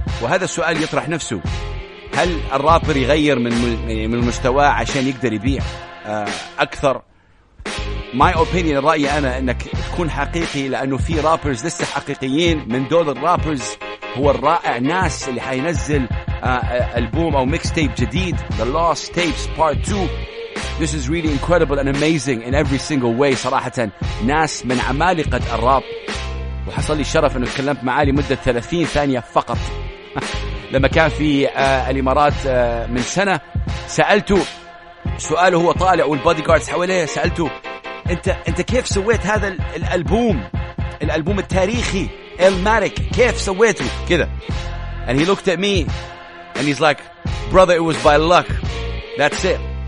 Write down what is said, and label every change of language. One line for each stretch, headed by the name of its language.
Arabic: وهذا السؤال يطرح نفسه, هل الرابر يغير من مستواه عشان يقدر يبيع أكثر؟
English: My opinion,
Arabic: رأيي أنا أنك تكون حقيقي, لأنه في رابرز لسه حقيقيين. من دول الرابرز هو الرائع ناس اللي حينزل ألبوم أو ميكس تيب جديد, The Lost Tapes Part 2.
English: This is really incredible and amazing in every single way.
Arabic: صراحة ناس من عمالقة الراب, وحصل لي الشرف أنه تكلمت معاه لمدة 30 ثانية فقط لما كان في الإمارات من سنة. سألته سؤاله هو طالع والبادي جاردز حواليه, سألته أنت كيف سويت هذا الألبوم التاريخي إلماريك, كيف سويته كذا؟
English: And he looked at me and he's like, brother, it was by luck, that's it.